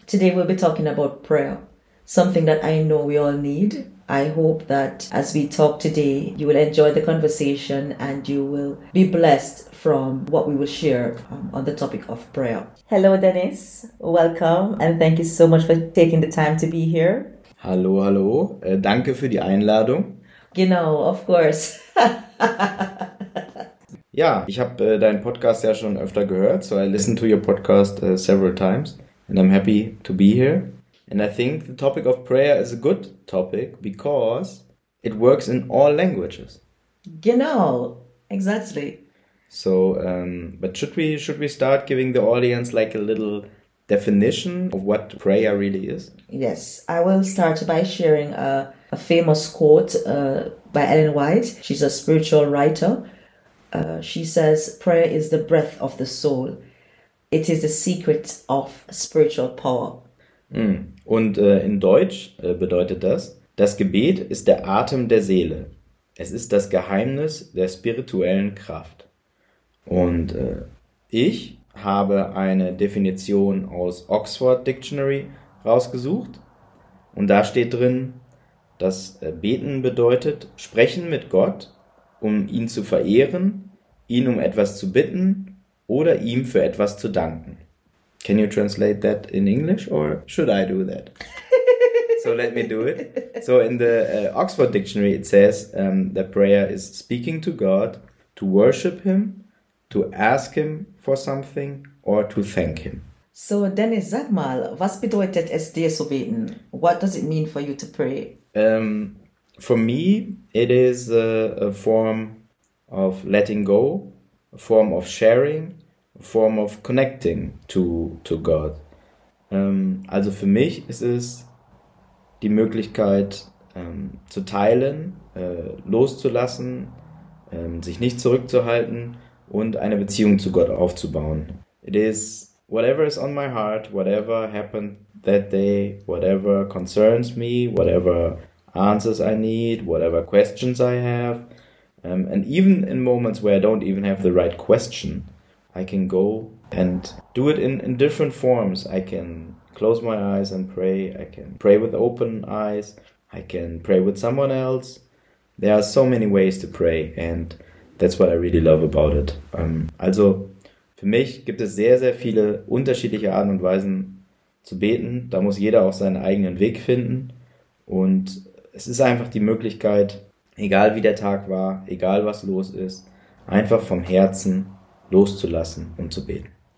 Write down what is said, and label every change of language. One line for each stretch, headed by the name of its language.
English: Today, we'll be talking about prayer, something that I know we all need. I hope that as we talk today, you will enjoy the conversation and you will be blessed from what we will share on the topic of prayer. Hello, Dennis. Welcome. And thank you so much for taking the time to be here.
German: Hallo, hallo. Danke für die Einladung.
English: Genau, of course.
German: Ja, ich habe deinen Podcast ja schon öfter gehört.
English: So I listened to your podcast several times and I'm happy to be here. And I think the topic of prayer is a good topic because it works in all languages. Genau, exactly. So, but should we start giving the audience like a little definition of what prayer really is? Yes, I will start by sharing a famous quote by Ellen White. She's a spiritual writer. She says, prayer is the breath of the soul. It is the secret of spiritual power.
German: Und in Deutsch bedeutet das, das Gebet ist der Atem der Seele. Es ist das Geheimnis der spirituellen Kraft. Und ich habe eine Definition aus Oxford Dictionary rausgesucht. Und da steht drin, dass Beten bedeutet, sprechen mit Gott, um ihn zu verehren, ihn um etwas zu bitten oder ihm für etwas zu danken.
English: Can you translate that in English or should I do that? So let me do it. So in the Oxford Dictionary, it says that prayer is speaking to God, to worship him, to ask him for something or to thank him.
German: So Dennis, sag mal, was bedeutet es dir zu beten?
English: What does it mean for you to pray? For me, it is a form of letting go, a form of sharing, form of connecting to God.
German: Also für mich ist es die Möglichkeit zu teilen, loszulassen, sich nicht zurückzuhalten und eine Beziehung zu Gott aufzubauen.
English: It is whatever is on my heart, whatever happened that day, whatever concerns me, whatever answers I need, whatever questions I have. And even in moments where I don't even have the right question, I can go and do it in different forms. I can close my eyes and pray. I can pray with open eyes. I can pray with someone else. There are so many ways to pray and that's what I really love about it.
German: Also für mich gibt es sehr, sehr viele unterschiedliche Arten und Weisen zu beten. Da muss jeder auch seinen eigenen Weg finden. Und es ist einfach die Möglichkeit, egal wie der Tag war, egal was los ist, einfach vom Herzen loszulassen und zu beten.